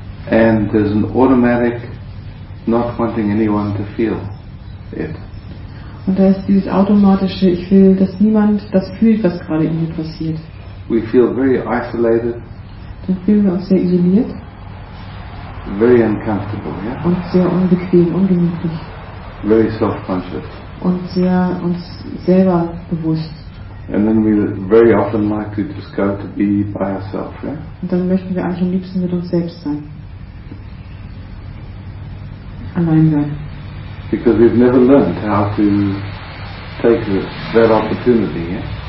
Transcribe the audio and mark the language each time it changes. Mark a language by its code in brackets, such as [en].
[en] and there's an automatic not wanting anyone to feel it, [de] und da ist dieses automatische, ich will, dass niemand das fühlt, was gerade in mir passiert. [en] We feel very isolated. [de] Dann fühlen wir uns sehr isoliert. [en] Very uncomfortable, yeah? [de] Und sehr unbequem, ungemütlich. [en] Very self-conscious. [de] Und sehr uns selber bewusst. [en] And then we very often like to just go to be by ourselves, yeah? [de] Und dann möchten wir eigentlich am liebsten mit uns selbst sein. Allein sein. [en] Because we've never learned how to take that opportunity, yeah?